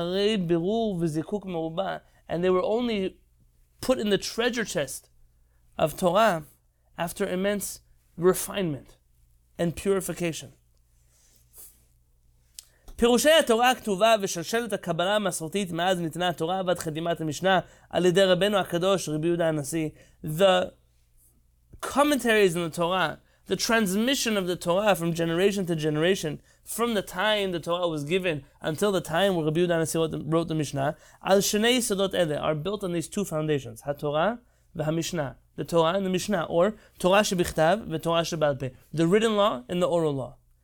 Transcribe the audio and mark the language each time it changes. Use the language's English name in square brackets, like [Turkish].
[English] And they were only put in the treasure chest of Torah after immense refinement and purification. [Hebrew] פירושי התורה הכתובה ושלשלת הקבלה המסורתית מאז ניתנה התורה ועד חתימת המשנה על ידי רבנו הקדוש רבי יהודה הנשיא. [English] The commentaries in the Torah, the transmission of the Torah from generation to generation, from the time the Torah was given until the time where Rabbi Yehuda HaNasi wrote the Mishnah, [Hebrew] al shnei yisodot ele, [English] are built on these two foundations, [Hebrew] HaTorah v'HaMishnah, [English] the Torah and the Mishnah, or [Hebrew] Torah shebichtav v'Torah shebal peh, [English] the written law and the oral law.